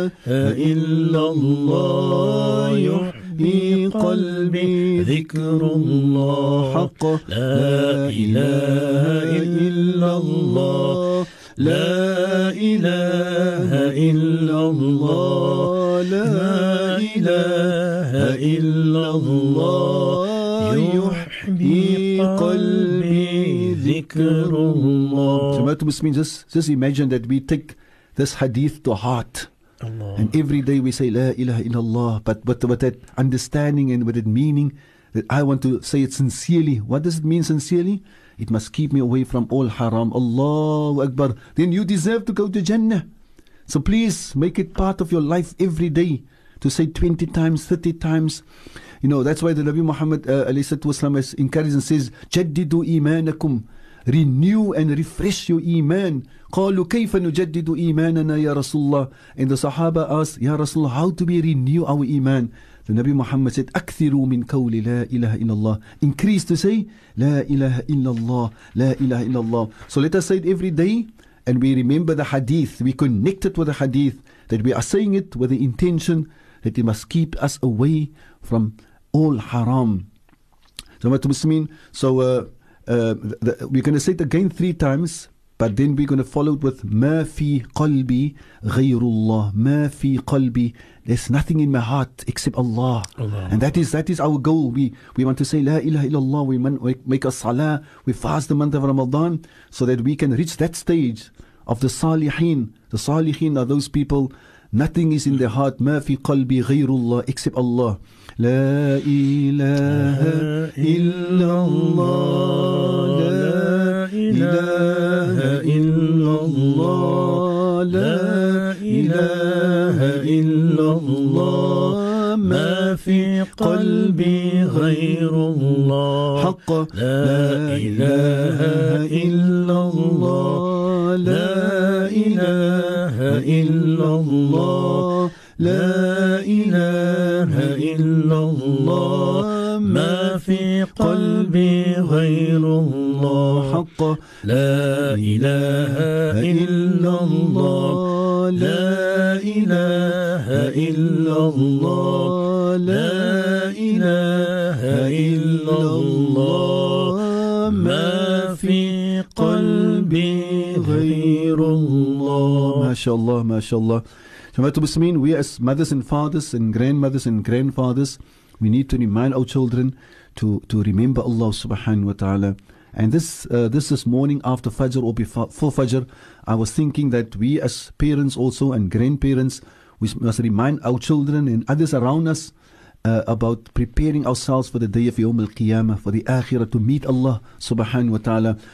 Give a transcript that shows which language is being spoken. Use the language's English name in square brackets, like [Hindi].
[Arabic] إلا الله يحيي قلبي ذكر الله حق لا إله إلا الله لا إله إلا الله لا إله إلا الله يحيي قلبي ذكر الله. جماعة المسلمين, [English] just imagine that we take this hadith to heart. [Arabic] Allah. [English] And every day we say La ilaha illallah, but with that understanding and with that meaning, that I want to say it sincerely. What does it mean sincerely? It must keep me away from all haram. Allahu Akbar. Then you deserve to go to Jannah. So please make it part of your life every day to say 20 times, 30 times. You know, that's why the Nabi Muhammad wasalam, has encouraged and says, [Arabic] Jaddidu imanakum. [English] Renew and refresh your iman. [Arabic] قَالُوا كَيْفَ نُجَدِّدُ إِيمَانَنَا يَا رَسُولَّهِ. [English] And the Sahaba asked, Ya Rasulullah, how do we renew our iman? The Nabi Muhammad said, [Arabic] أَكْثِرُوا مِنْ كَوْلِ لَا إِلَهَ إِلَّا اللَّهِ. [English] Increase to say, [Arabic] لَا إِلَهَ إِلَّا اللَّهِ, [English] لَا إِلَهَ إِلَّا اللَّهِ. So let us say it every day, and we remember the hadith, we connect it with the hadith, that we are saying it with the intention that it must keep us away from all haram. We're going to say it again 3 times, but then we're going to follow it with [Arabic] ما في قلبي غير الله. ما في قلبي. [English] There's nothing in my heart except Allah. [Arabic] Allah. [English] And that is our goal. We want to say [Arabic] لا إله إلا الله. [English] We make a salah. We fast the month of Ramadan so that we can reach that stage of the salihin. The salihin are those people, nothing is in their heart. [Arabic] ما في قلبي غير الله [English] except Allah. [Arabic] لا إله إلا الله لا إله إلا الله لا إله إلا الله ما في قلبي غير الله حق لا إله إلا الله لا إله إلا الله لا إله إلا الله ما في قلبي غير الله حق لا إله إلا الله لا إله إلا الله لا إله إلا الله ما في قلبي غير الله ما شاء الله ما شاء الله. [English] Jamaatul Muslimin, we as mothers and fathers and grandmothers and grandfathers, we need to remind our children to remember Allah subhanahu wa ta'ala. And this morning after Fajr or before Fajr, I was thinking that we as parents also and grandparents, we must remind our children and others around us about preparing ourselves for the day of Yawm al-Qiyamah, for the Akhirah, to meet Allah subhanahu wa ta'ala.